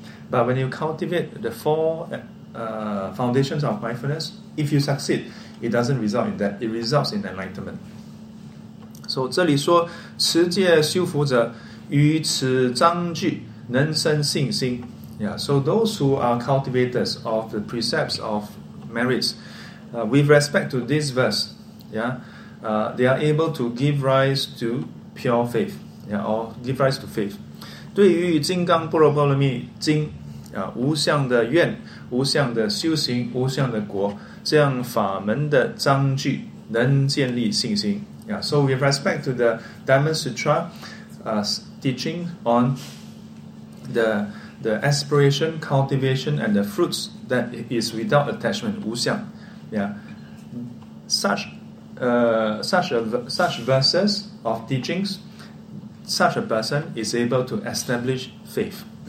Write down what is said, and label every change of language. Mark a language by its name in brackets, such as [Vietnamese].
[English] But when you cultivate the four foundations of mindfulness, if you succeed, it doesn't result in that. It results in enlightenment. [Chinese] So, 这里说持戒修福者于此章句能生信心。 [English] Yeah, so those who are cultivators of the precepts of merits, with respect to this verse, yeah, they are able to give rise to pure faith, yeah, or give rise to faith. [Chinese] 对于《金刚般若波罗蜜经》啊，无相的愿、无相的修行、无相的果，这样法门的章句能建立信心。 [English] Yeah, so with respect to the Diamond Sutra, teaching on the aspiration, cultivation, and the fruits that is without attachment, 无相 yeah. Such verses of teachings, such a person is able to establish faith.